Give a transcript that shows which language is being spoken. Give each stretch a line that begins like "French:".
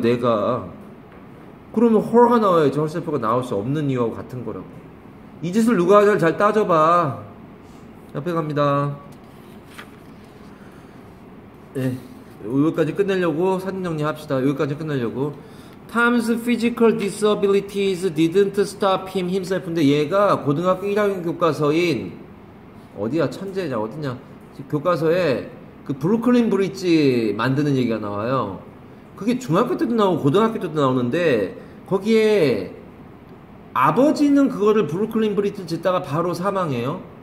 Korean: 내가. 그러면 헐가 나와야지. 헐셀프가 나올 수 없는 이유와 같은 거라고. 이 짓을 누가 하냐를 잘 따져봐. 옆에 갑니다. 네, 여기까지 끝내려고 사진 정리합시다. 여기까지 끝내려고.
English: Tom's physical disabilities didn't stop him himself.
Korean: 근데 얘가 고등학교 1학년 교과서인 어디야 천재냐 어디냐 교과서에 그 브루클린 브릿지 만드는 얘기가 나와요. 그게 중학교 때도 나오고 고등학교 때도 나오는데 거기에 아버지는 그거를 브루클린 브릿지 짓다가 바로 사망해요.